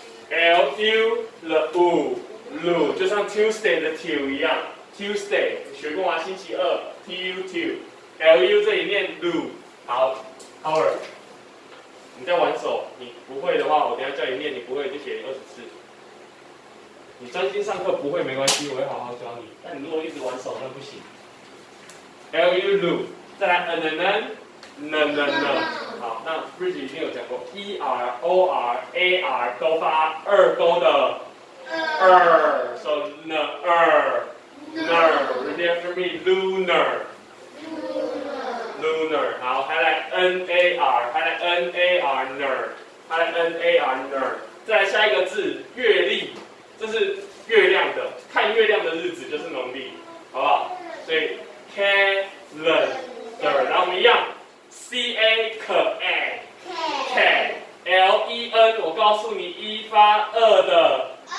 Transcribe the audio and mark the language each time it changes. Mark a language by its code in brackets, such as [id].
[zh] L U L U L U， 就像 Tuesday 的 Tu 一样 ，Tuesday 学过吗？星期二 ，T U T U L U 这里念 L U。好 ，Howard， 你在玩手，你不会的话，我等一下叫你念，你不会就写二十次。你专心上课不会没关系，我会好好教你。但你如果一直玩手，那不行。 L U L U， 再来 N N N N N N， 好，那 Bridge 已经有讲过 ，E R O R A R 都发二勾的，er，说 N er， ner， [en] repeat after me， lunar。 [zh] Lunar， 好，还来 N A R， 还来 N A R ner， 还来 N A R ner， 再来下一个字，月历，这是月亮的，看月亮的日子就是农历，好不好？所以 calendar， 然后我们一样 ，C A K A K L E N， 我告诉你，一发二的，